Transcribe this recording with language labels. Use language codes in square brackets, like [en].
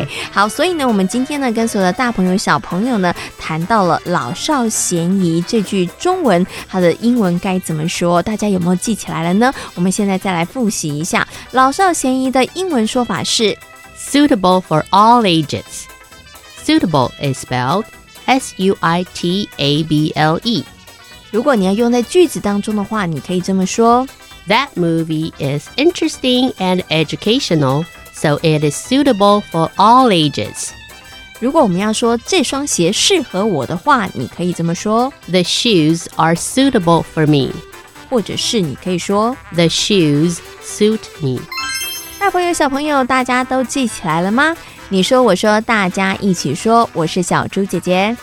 [zh] OK， 好，所以呢我们今天呢跟所有的大朋友小朋友呢谈到了老少咸宜这句中文，它的英文该怎么说，大家有没有记起来了呢？我们现在再来复习一下老少咸宜的英文说法是 [en] suitable for all ages。 Suitable is spelledSuitable。 [zh] 如果你要用在句子当中的话，你可以这么说 [en] That movie is interesting and educational, so it is suitable for all ages。 [zh] 如果我们要说这双鞋适合我的话，你可以这么说 [en] The shoes are suitable for me。 [zh] 或者是你可以说 [en] The shoes suit me。 [zh] 大朋友小朋友大家都记起来了吗？你说我说大家一起说，我是小猪姐姐。